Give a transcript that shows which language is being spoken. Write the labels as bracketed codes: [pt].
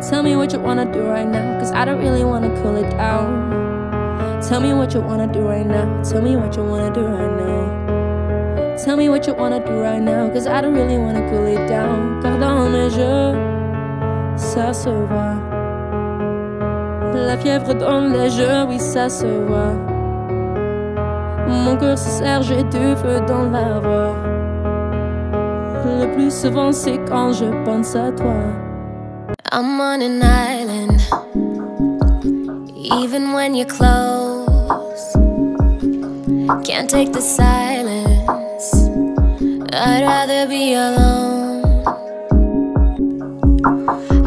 [en] Tell me what you wanna do right now. Cause I don't really wanna cool it down. Tell me what you wanna do right now. Tell me what you wanna do right now. Tell me what you wanna do right now. Cause I don't really wanna cool it down. [fr] Pardon, mais je ça se voit. La fièvre dans les yeux, oui, ça se voit. Mon cœur se serre, j'ai du feu dans la voix. Le plus souvent, c'est quand je pense à toi. [en] I'm on an island, even when you're close. Can't take the silence, I'd rather be alone.